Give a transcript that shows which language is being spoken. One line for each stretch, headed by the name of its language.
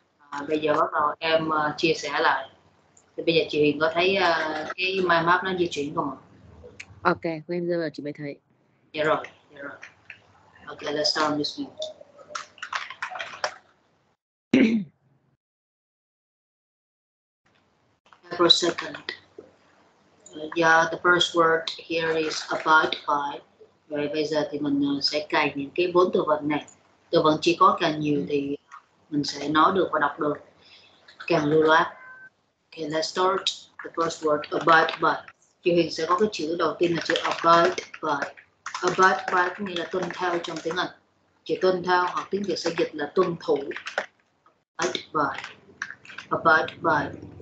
Vietnamese: À, bây giờ bắt đầu em chia sẻ lại. Thì bây giờ chị Huyền có thấy cái mind map nó di chuyển không ạ? Ok, quên giờ là chị mới thấy. Dạ rồi, dạ rồi.
English: Ok, let's start on this one. Per second. Yeah, the first word here is abide by.
Vietnamese: Rồi bây giờ thì mình sẽ cài những cái bốn từ vựng này. Từ vựng chỉ có càng nhiều thì mình sẽ nói được và đọc được càng lưu loát.
English: Okay, let's start the first word abide by.
Vietnamese: Chị Huyền sẽ có cái chữ đầu tiên là chữ abide by. Abide by có nghĩa là tuân theo trong tiếng Anh. Chữ tuân theo hoặc tiếng Việt sẽ dịch là tuân thủ. Abide by. Abide by.